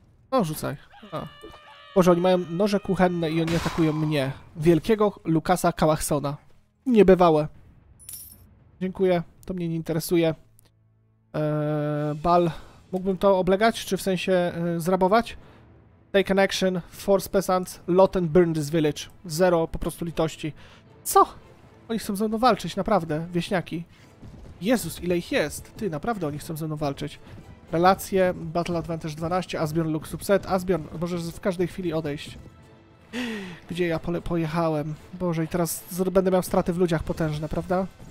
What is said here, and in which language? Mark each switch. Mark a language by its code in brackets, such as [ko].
[pl] O, rzucaj. O. Boże, oni mają noże kuchenne i oni atakują mnie. Wielkiego Lukasa Kałachsona. Niebywałe. Dziękuję. To mnie nie interesuje. Bal... Mógłbym to oblegać, czy w sensie zrabować? [en] Take an action, force peasants, lot and burn this village. [pl] Zero po prostu litości. Co? Oni chcą ze mną walczyć, naprawdę, wieśniaki. Jezus, ile ich jest? Ty, naprawdę oni chcą ze mną walczyć. Relacje, [en] battle advantage 12, Asbjorn look subset. [pl] Asbjorn, możesz w każdej chwili odejść. Gdzie ja pojechałem? Boże, i teraz będę miał straty w ludziach potężne, prawda?